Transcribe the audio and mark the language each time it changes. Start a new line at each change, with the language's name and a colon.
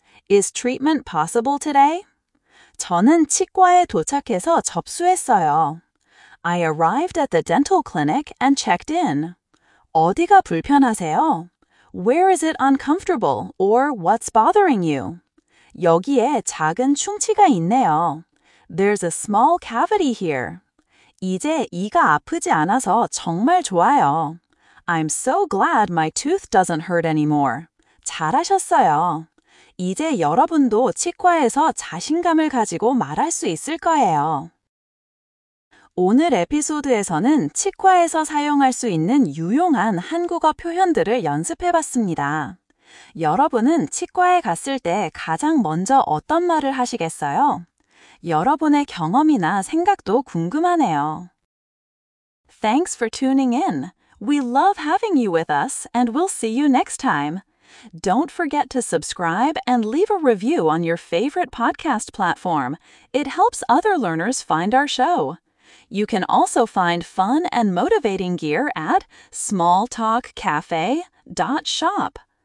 English: Is treatment possible today?
Korean: 저는 치과에 도착해서 접수했어요.
English: I arrived at the dental clinic and checked in.
Korean: 어디가 불편하세요?
English: Where is it uncomfortable or what's bothering you?
Korean: 여기에 작은 충치가 있네요.
English: There's a small cavity here.
Korean: 이제 이가 아프지 않아서 정말 좋아요.
English: I'm so glad my tooth doesn't hurt anymore.
Korean: 잘하셨어요. 이제 여러분도 치과에서 자신감을 가지고 말할 수 있을 거예요. 오늘 에피소드에서는 치과에서 사용할 수 있는 유용한 한국어 표현들을 연습해 봤습니다. 여러분은 치과에 갔을 때 가장 먼저 어떤 말을 하시겠어요? 여러분의 경험이나 생각도 궁금하네요.
English: Thanks for tuning in. We love having you with us, and we'll see you next time. Don't forget to subscribe and leave a review on your favorite podcast platform. It helps other learners find our show. You can also find fun and motivating gear at smalltalkcafe.shop.